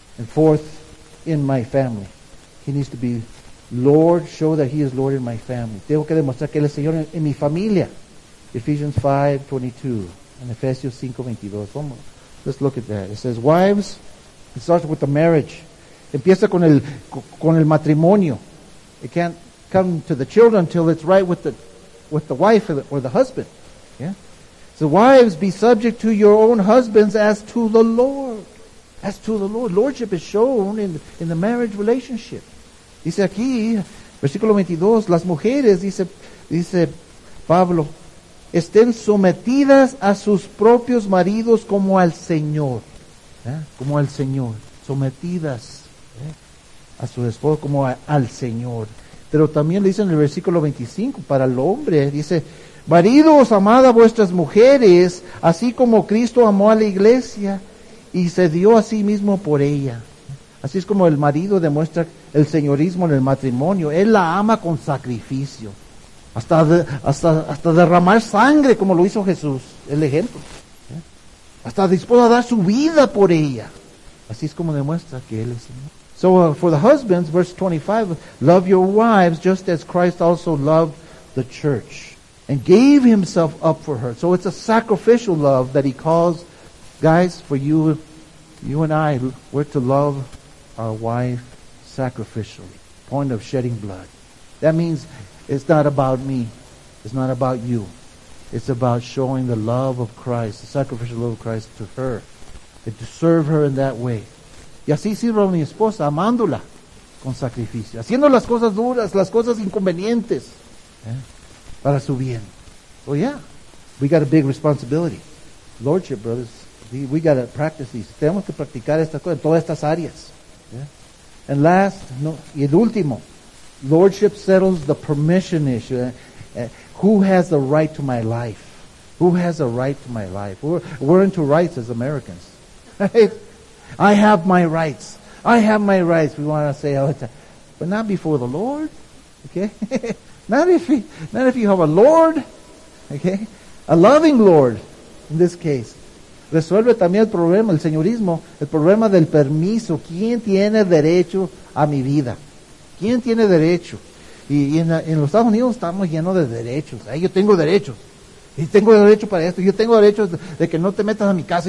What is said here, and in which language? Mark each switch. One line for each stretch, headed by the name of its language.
English: And fourth, in my family. He needs to be Lord, show that He is Lord in my family.
Spanish: Tengo que demostrar que Él es Señor en mi familia.
English: Ephesians 5:22 and Ephesians 5:22. Let's look at that. It says, wives, it starts with the marriage.
Spanish: Empieza con el matrimonio.
English: It can't come to the children until it's right with the wife or the husband. Yeah? So wives, be subject to your own husbands as to the Lord. As to the Lord. Lordship is shown in the marriage relationship.
Spanish: Dice aquí, versículo 22, las mujeres, dice Pablo, estén sometidas a sus propios maridos como al Señor. Como al Señor. Sometidas a su esposo como al Señor. Pero también le dice en el versículo 25, para el hombre, dice, maridos, amad a vuestras mujeres, así como Cristo amó a la iglesia y se dio a sí mismo por ella. Así es como el marido demuestra el señorismo en el matrimonio. Él la ama con sacrificio. Hasta derramar sangre, como lo hizo Jesús, el ejemplo. Hasta dispuesto a dar su vida por ella. Así es como demuestra que Él es Señor.
English: So for the husbands, verse 25, love your wives just as Christ also loved the church and gave himself up for her. So it's a sacrificial love that he calls, guys, for you and I, we're to love our wife sacrificially. Point of shedding blood. That means it's not about me. It's not about you. It's about showing the love of Christ, the sacrificial love of Christ to her, and to serve her in that way.
Spanish: Y así sirvo a mi esposa, amándola con sacrificio, haciendo las cosas duras, las cosas inconvenientes para su bien.
English: Oh yeah, we got a big responsibility. Lordship, brothers, we got to practice these.
Spanish: Tenemos que practicar estas cosas en todas estas áreas.
English: And last, no,
Spanish: y el último,
English: lordship settles the permission issue. Who has the right to my life? Who has the right to my life? We're into rights as Americans. I have my rights. I have my rights. We want to say all the time. But not before the Lord. Okay? not if you have a Lord. Okay? A loving Lord in this case.
Spanish: resuelve también el problema, el señorismo, el problema del permiso. ¿Quién tiene derecho a mi vida? ¿Quién tiene derecho? Y en los Estados Unidos estamos llenos de derechos. Yo tengo derechos. Y tengo derecho para esto. Yo tengo derecho de que no te metas a mi casa.